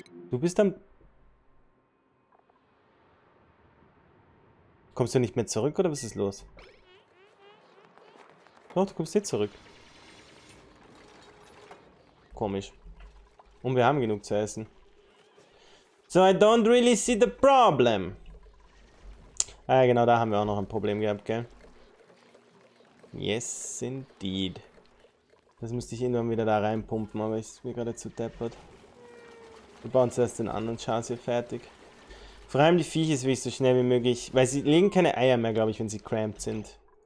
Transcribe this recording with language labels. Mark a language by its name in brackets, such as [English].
[German] Du bist am... Kommst du nicht mehr zurück oder was ist los? Doch, du kommst hier zurück. Komisch. Und wir haben genug zu essen. [English] So, I don't really see the problem. [German] Ah, genau, da haben wir auch noch ein Problem gehabt, gell? [English] Yes, indeed. [German] Das müsste ich irgendwann wieder da reinpumpen, aber ich bin gerade zu deppert. Wir bauen zuerst den anderen Chars hier fertig. Vor allem die Viecher will ich so schnell wie möglich, weil sie legen keine Eier mehr, glaube ich, wenn sie cramped sind.